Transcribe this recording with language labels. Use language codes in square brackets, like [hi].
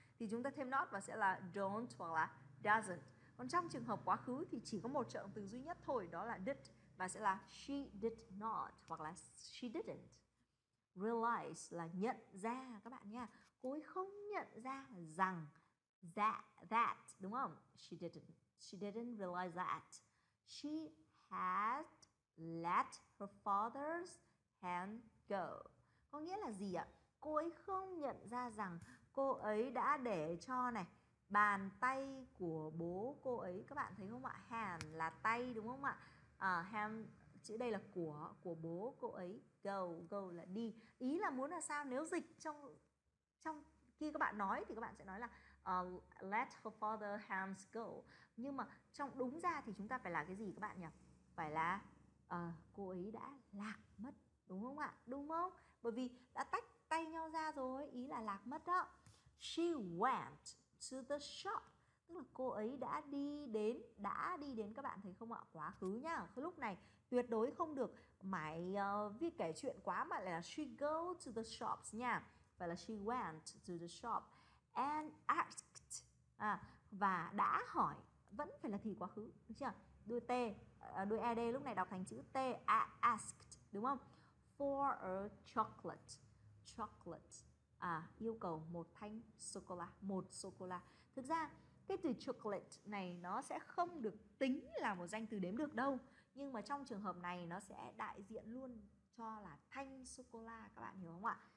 [vi] Thì chúng ta thêm not và sẽ là don't hoặc là doesn't. Còn trong trường hợp quá khứ thì chỉ có một trợ động từ duy nhất thôi, đó là did, và sẽ là [en] she did not [vi] hoặc là [en] she didn't. [vi] Realize là nhận ra các bạn nha. Cô ấy không nhận ra rằng that, đúng không? [en] She didn't realize that. She had let her father's hand go. [vi] Có nghĩa là gì ạ? Cô ấy không nhận ra rằng cô ấy đã để cho này bàn tay của bố cô ấy, các bạn thấy không ạ? Hand là tay đúng không ạ? Hand chữ đây là của bố cô ấy. Go, go là đi. Ý là muốn là sao? Nếu dịch trong trong khi các bạn nói thì các bạn sẽ nói là [en] let her father hands go. [vi] Nhưng mà trong đúng ra thì chúng ta phải là cái gì các bạn nhỉ? Phải là cô ấy đã lạc mất, đúng không ạ? Đúng không? Bởi vì đã tách tay nhau ra rồi, ý là lạc mất đó. [en] She went to the shop. [vi] Tức là cô ấy đã đi đến các bạn thấy không ạ? Quá khứ nhá. Lúc này tuyệt đối không được mày viết kể chuyện quá mà lại là [en] she go to the shops [vi] nha. Phải là [en] she went to the shop and asked. [vi] À, và đã hỏi vẫn phải là thì quá khứ, được chưa? Đuôi T, đuôi ED lúc này đọc thành chữ T, asked, đúng không? [en] For a chocolate. [vi] Chocolate. À, yêu cầu một thanh sô cô la, một sô cô la. Thực ra cái từ chocolate này nó sẽ không được tính là một danh từ đếm được đâu, nhưng mà trong trường hợp này nó sẽ đại diện luôn cho là thanh sô cô la, các bạn hiểu không ạ?